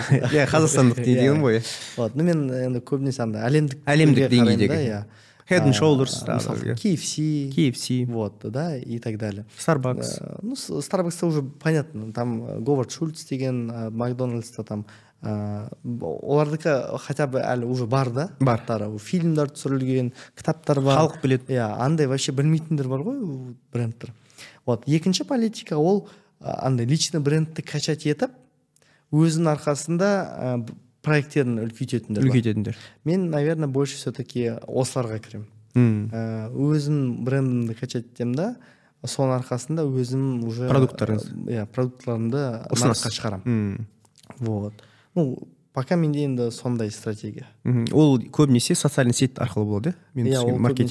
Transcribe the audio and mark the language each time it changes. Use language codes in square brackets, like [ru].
[kk] Я қазақстандық дейін ғой. Вот, ну мен енді көбінесе анда әлемдік деңгейдегі. Head and Shoulders, KFC. KFC. [ru] Вот, да, и так далее. [kk] Starbucks. [ru] Ну, Starbucks-то уже понятно. Там Говард Шульц [kk] деген, [ru] Макдональдс-то там. [kk] Олардыка хотя бы әлі уже бар, да? Бар. Фильмдар түсірілген, кітаптар бар. Халық білет. Иә, андай вообще білмейтіндер бар ғой, брендтер. Вот, екінші политика ол андай лично брендті качать етіп, өзінің арқасында проекттерін үлкейтетіндер. Үлкейтетіндер. Мен, [ru] наверное, больше все-таки [kk] осыларға кірем. Өзім брендімді качать етем, да, соның арқасында өзім уже... Продуктарыңыз. Иә, продуктарымды нарыққа шығарам. Вот. [ru] Ну, пока [kk] менде енді сондай стратегия. Ол көбінесе социальный сет арқылы болады, да? Мен түсінген маркетинг.